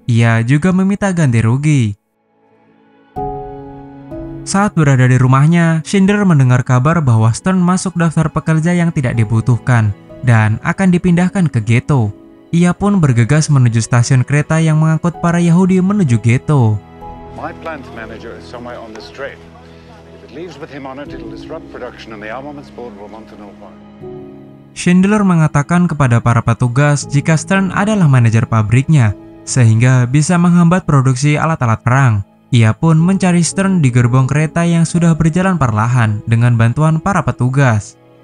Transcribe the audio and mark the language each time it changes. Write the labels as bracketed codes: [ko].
[id] Ia juga meminta ganti rugi. Saat berada di rumahnya, Schindler mendengar kabar bahwa Stern masuk daftar pekerja yang tidak dibutuhkan dan akan dipindahkan ke ghetto. Ia pun bergegas menuju stasiun kereta yang mengangkut para Yahudi menuju ghetto. [en] My plant manager is somewhere on this train. If it leaves with him on it, it'll disrupt production and the armaments board will want to know why. [id] Schindler mengatakan kepada para petugas jika Stern adalah manajer pabriknya, sehingga bisa menghambat produksi alat-alat perang. Ia pun mencari Stern di gerbong kereta yang sudah berjalan perlahan dengan bantuan para petugas.